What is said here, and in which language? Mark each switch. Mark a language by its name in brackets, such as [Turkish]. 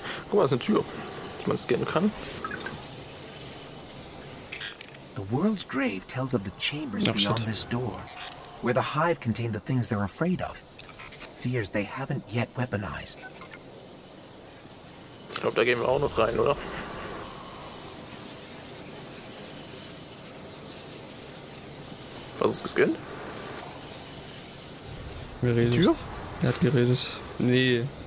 [German] Guck mal, das ist eine Tür, die man scannen kann. [English] The world's grave tells of the chambers beyond this door, where the hive contained the things they're afraid of. Fears they haven't yet weaponized. [German] Ich glaube, da gehen wir auch noch rein, oder? Was ist gescannt? Wir reden. Die Tür? Er hat geredet. Nee.